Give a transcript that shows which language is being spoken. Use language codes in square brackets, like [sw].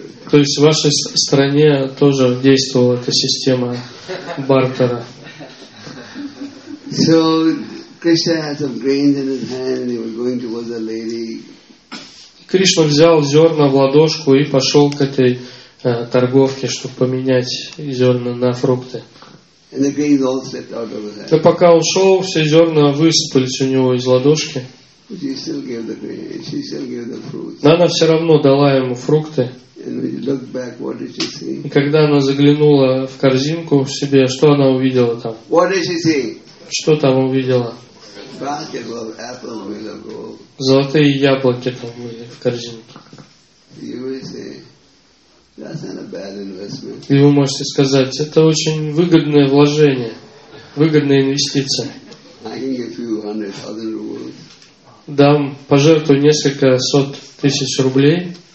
[ru] То есть в вашей стране тоже действовала эта система бартера. [en] So Krishna had some grains in his hand and he was going towards the lady. [ru] Кришна взял зерна в ладошку и пошел к этой торговке, чтобы поменять зерна на фрукты. [en] And the grains all slipped out of his hand. [ru] Но пока он шел, все зерна высыпались у него из ладошки. [en] She still gave the grain. She still gave the fruits. [ru] Но она все равно дала ему фрукты. [en] And when you look back, what did she see? [ru] И когда она заглянула в корзинку в себе, что она увидела там? [en] What did she see? [ru] Что там увидела? [en] Basket of apples with the gold. [ru] Золотые яблоки там были в корзинке. [en] You will say, that's not a bad investment. [ru] И вы можете сказать: это очень выгодное вложение, выгодная инвестиция. [en] I can give you 100,000 rubles. [ru] Дам, пожертвую несколько сот тысяч рублей.